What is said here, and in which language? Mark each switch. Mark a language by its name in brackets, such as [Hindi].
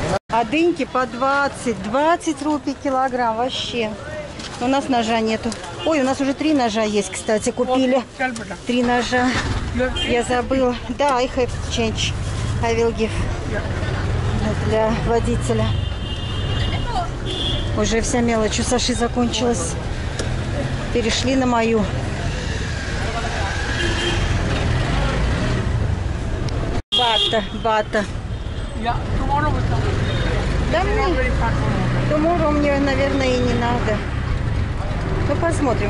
[Russian] А дыньки по 20. 20 рупий килограмм вообще. У нас ножа нету. Ой, у нас уже 3 ножа есть, кстати, купили. 3 ножа. Я забыла. [English] Да, I have to change. I will give. [Russian] Для водителя. Уже вся мелочь у Саши закончилась. Перешли на мою. Бата. Да мне. Tomorrow мне, наверное, и не надо. Ну, посмотрим.